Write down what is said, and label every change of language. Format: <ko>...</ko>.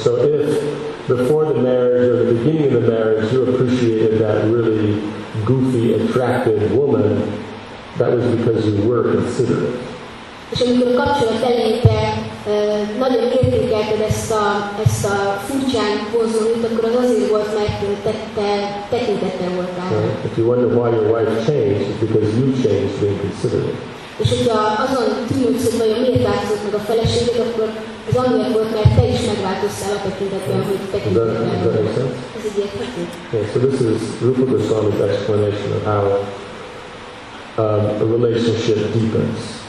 <en>So if before the marriage or the beginning of the marriage you appreciated that really goofy, attractive woman, that was because you were considerate.</en> <hu>És amikor a kapcsolat elején te nagyon értékelted ezt a furcsán vonzó nőt, akkor az azért volt, mert te tekintettel voltál.</hu> <en>If you wonder why your wife changed, it's because you changed being considerate.</en> <hu>És hogyha azon tűnődsz, hogy vajon miért változott meg a feleséged, akkor az amiért volt, mert te is megváltoztál a tekintetben, hogy tekintettel voltál.</hu> <en>Okay, so this is Rupa Goswami's explanation of how a relationship deepens.</en>